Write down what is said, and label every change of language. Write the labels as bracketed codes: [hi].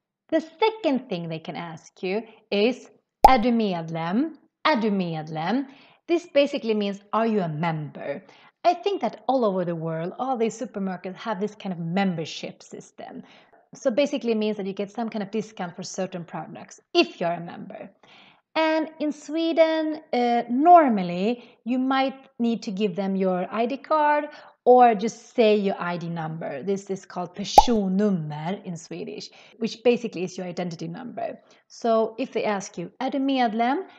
[en] The second thing they can ask you is, [sv] är du medlem? Är du medlem? [en] This basically means, are you a member? I think that all over the world, all these supermarkets have this kind of membership system. So basically means that you get some kind of discount for certain products, if you're a member. And in Sweden, normally, you might need to give them your ID card or just say your ID number. This is called personnummer in Swedish, which basically is your identity number. So if they ask you, [sv] är du medlem?